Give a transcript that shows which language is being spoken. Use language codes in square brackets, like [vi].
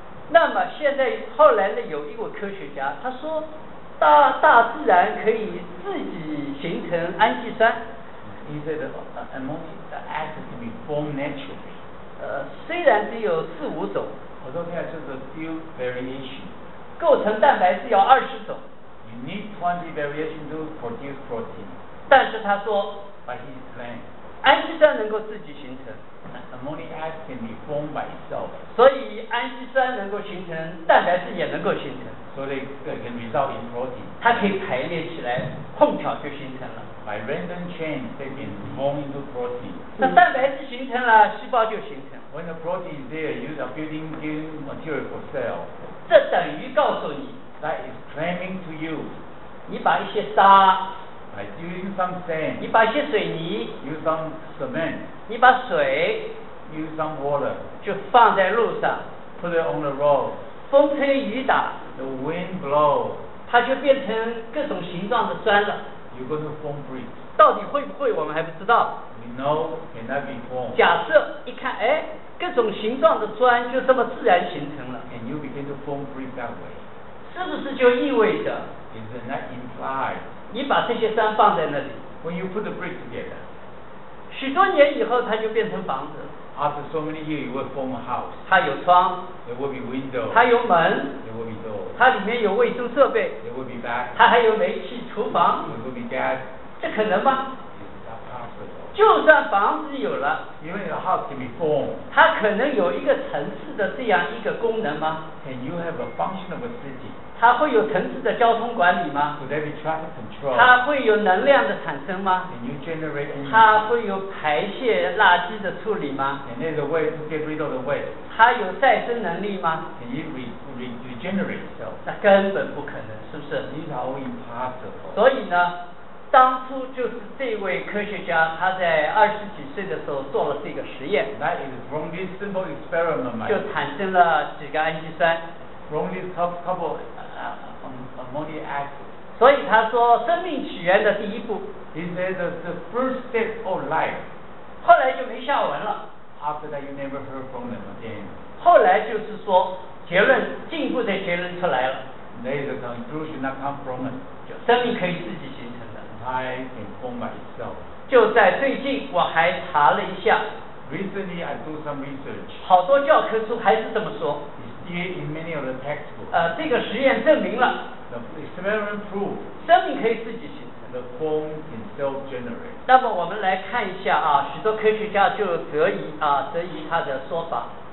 [zh] 那么现在后来呢，有一位科学家他说大自然可以自己形成氨基酸。 [en] He said ammonia acid can be formed naturally. [zh] 虽然只有四五种。 [en] Although there are just a few variations. [zh] 构成蛋白质要二十种。 [en] You need 20 variations to produce protein. [zh] 但是他说。 [en] But he claimed. [zh] 氨基酸能够自己形成 [en] ，ammonia acid can be formed by itself。 [zh] 所以氨基酸能够形成，蛋白质也能够形成。 [en] So they can result in protein。 [zh] 它可以排列起来，碰巧就形成了。 [en] By random chance, they can form into protein。 [zh] 那蛋白质形成了，细胞就形成。 [en] When the protein is there, you are building material for cell。 [zh] 这等于告诉你 [en] ，That is claiming to you。 [zh] 你把一些沙。 [en] By using some sand, [zh] 你把一些水泥 [en] use some cement, [zh] 你把水 [en] use some water, [zh] 就放在路上 [en] put it on the road, [zh] 风吹雨打 [en] the wind blow, [zh] 它就变成各种形状的砖了 [en] you're going to form bricks, [zh] 到底会不会我们还不知道 [en] we know cannot be formed, [zh] 假设一看哎，各种形状的砖就这么自然形成了 [en] and you begin to form bricks that way, [zh] 是不是就意味着 [en] is it not implied? [zh] 你把这些砖放在那里 [en] When you put the brick together, [zh] 许多年以后它就变成房子 [en] After so many years, it will form a house. [zh] 它有窗 [en] There will be windows. [zh] 它有门 [en] There will be doors. [zh] 它里面有卫生设备 [en] There will be bathroom. [zh] 它还有煤气厨房 [en] There will be gas. [zh] 这可能吗 [en] It's not possible. [zh] 就算房子有了 [en] Even the house can be formed. [zh] 它可能有一个层次的这样一个功能吗 [en] Can you have a function of a city? [zh] 它会有层次的交通管理吗？ [en] Would there be traffic control? [zh] 它会有能量的产生吗？ [en] Can you generate energy? [zh] 它会有排泄垃圾的处理吗？ [en] Can it away to get rid of the waste? [zh] 它有再生能力吗？ [en] Can it regenerate itself? [zh] 那根本不可能，是不是？ [en] It's all impossible. [zh] 所以呢，当初就是这位科学家，他在二十几岁的时候做了这个实验。 [en] That is from this simple experiment, man. [zh] 就产生了几个氨基酸。 [en] From this couple. Ammonia acid. [zh] 所以他说生命起源的第一步 [en] He said the first step of life [zh] 后来就没下文了 [en] After that you never heard from them again [zh] 后来就是说结论进一步的结论出来了 [en] There is a conclusion that comes from them [zh] 就生命可以自己形成的 [en] I can form myself [zh] 就在最近我还查了一下 [en] Recently I do some research [zh] 好多教科书还是这么说 [en] In many of the textbooks, [zh] 这个实验证明了 [en] the experiment proved, [zh] 生命可以自己形成 [en] the form can self-generate. [zh] 那么我们来看一下啊，许多科学家就得以他的说法